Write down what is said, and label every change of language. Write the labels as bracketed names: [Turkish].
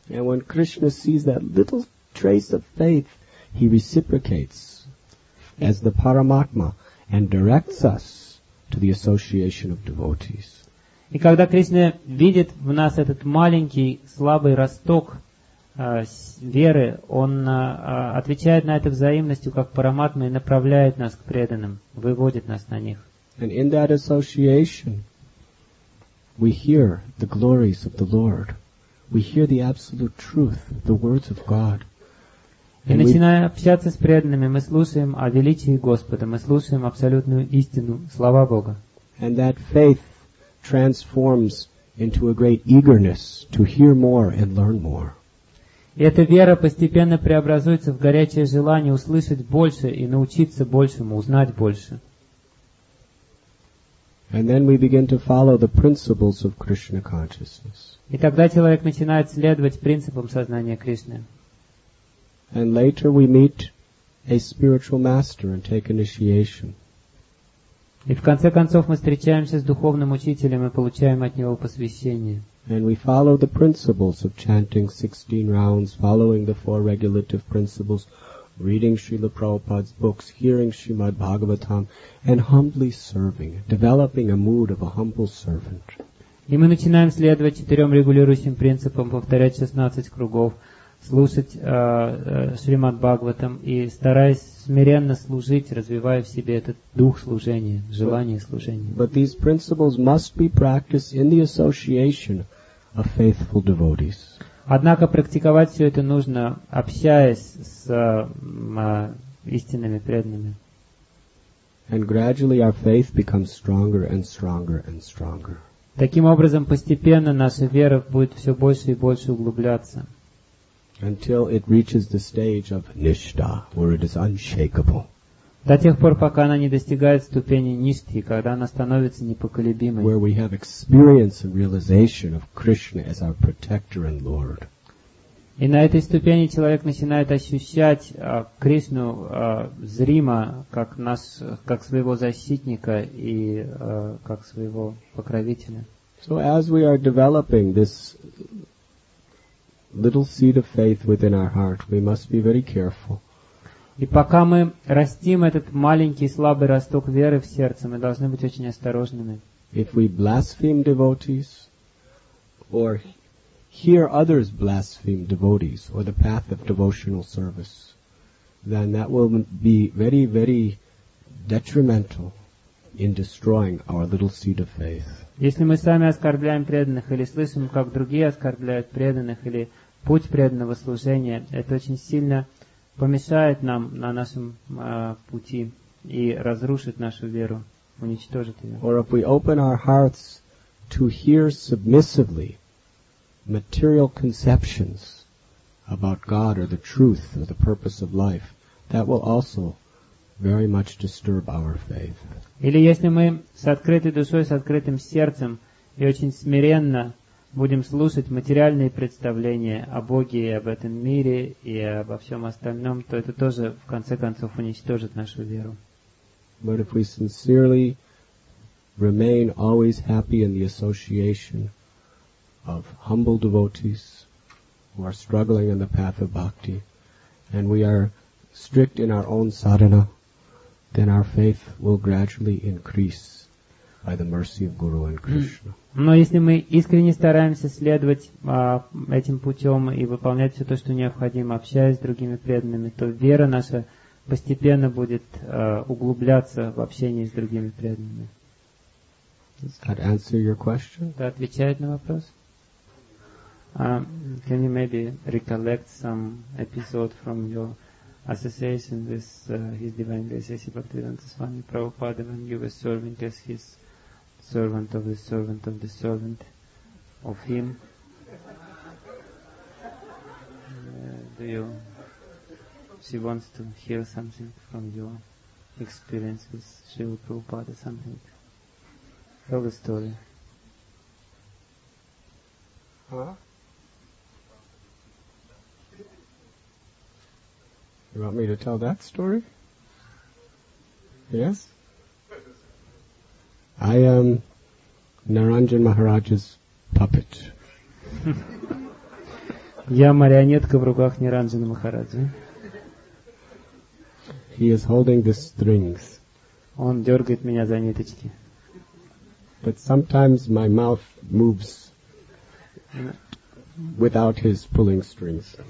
[English] And when Krishna sees that little trace of faith, he reciprocates as the Paramatma and directs us to the association of devotees. [Russian] И когда Кришна видит в нас этот маленький слабый росток веры, он отвечает на это взаимностью как Параматма и направляет нас к преданным, выводит нас на них. [English] And in that association, we hear the glories of the Lord. We hear the absolute truth, the words of God. [Russian] И начиная общаться с преданными, мы слушаем о величии Господа, мы слушаем абсолютную истину, слова Бога. [English] And that faith transforms into a great eagerness to hear more and learn more. [Russian] И эта вера постепенно преобразуется в горячее желание услышать больше и научиться большему, узнать больше. [English] And then we begin to follow the principles of Krishna consciousness. [Russian] И тогда человек начинает следовать принципам сознания Кришны. [English] And later we meet a spiritual master and take initiation. [Russian] И в конце концов мы встречаемся с духовным учителем и получаем от него посвящение. [English] And we follow the principles of chanting 16 rounds, following the four regulative principles, reading Srila Prabhupada's books, hearing Srimad Bhagavatam, and humbly serving, developing a mood of a humble servant. [Russian] И мы начинаем следовать четырем регулирующим принципам, повторять 16 кругов, слушать Шримад Бхагаватам и стараясь смиренно служить, развивая в себе этот дух служения, желание служения. [English] But these principles must be practiced in the association of faithful devotees. [Russian] Однако практиковать все это нужно, общаясь с истинными преданными. [English] And gradually our faith becomes stronger and stronger and stronger. [Russian] Таким образом, постепенно наша вера будет все больше и больше углубляться. [English] Until it reaches the stage of nishtha, where it is unshakable. [Russian] До тех пор, пока она не достигает ступени ништхи, когда она становится непоколебимой. [English] Where we have experience and realization of Krishna as our protector and Lord. [Russian] И на этой ступени человек начинает ощущать Кришну зримо, как нас, как своего защитника и как своего покровителя. [English] So as we are developing this little seed of faith within our heart, we must be very careful. [Russian] И пока мы растим этот маленький слабый росток веры в сердце, мы должны быть очень осторожными. [English] If we blaspheme devotees or hear others blaspheme devotees or the path of devotional service, then that will be very, very detrimental in destroying our little seed of faith. [Russian] Если мы сами оскорбляем преданных или слышим, как другие оскорбляют преданных или путь преданного служения, это очень сильно помешает нам на нашем пути и разрушит нашу веру, уничтожит ее. [English] Or if we open our hearts to hear submissively material conceptions about God or the truth or the purpose of life, that will also very much disturb our faith. [Russian] Или если мы с открытой душой, с открытым сердцем и очень смиренно будем слушать материальные представления о Боге и об этом мире и обо всем остальном, то это тоже в конце концов уничтожит нашу веру. [English] But if we sincerely remain always happy in the association of humble devotees who are struggling in the path of bhakti, and we are strict in our own sadhana, then our faith will gradually increase by the mercy of Guru and Krishna. [Russian] Но если мы искренне стараемся следовать этим путем и выполнять все то, что необходимо, общаясь с другими преданными, то вера наша постепенно будет углубляться в общении с другими преданными. [English] Does that answer your question? [Russian] Да, отвечает на вопрос. [English] Can you maybe recollect some episode from your association with His Divine Grace Bhaktivedanta Swami Prabhupada when you were serving as his servant of the servant of the servant of him. Do you? She wants to hear something from your experiences. She will provide something. Tell the story. You want me to tell that story? Yes? I am Naranjan Maharaj's puppet. [Russian] Я марионетка в руках Наранджана Махараджи. [English] He is holding the strings. [Russian] Он дергает меня за ниточки. [English] But sometimes my mouth moves without his pulling strings.